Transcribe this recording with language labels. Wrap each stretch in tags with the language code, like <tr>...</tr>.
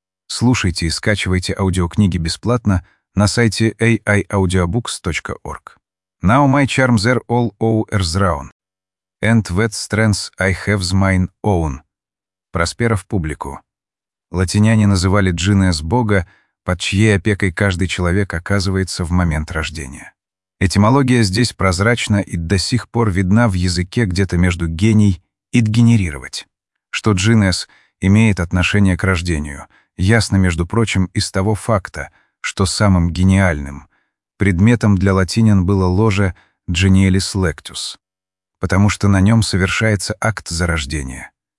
<ru>Слушайте и скачивайте аудиокниги бесплатно на сайте aiaudiobooks.org.</ru> <en>Now my charms are all o'erthrown, and what strength I have's mine own.</en> <ru>Проспера в публику. Латиняне называли джинес бога, под чьей опекой каждый человек оказывается в момент рождения. Этимология здесь прозрачна и до сих пор видна в языке где-то между гений и дгенерировать. Что джинес имеет отношение к рождению, ясно, между прочим, из того факта, что самым гениальным предметом для латинян было ложе</ru> <la>genialis lectus,</la> <ru>потому что на нем совершается акт зарождения.</ru>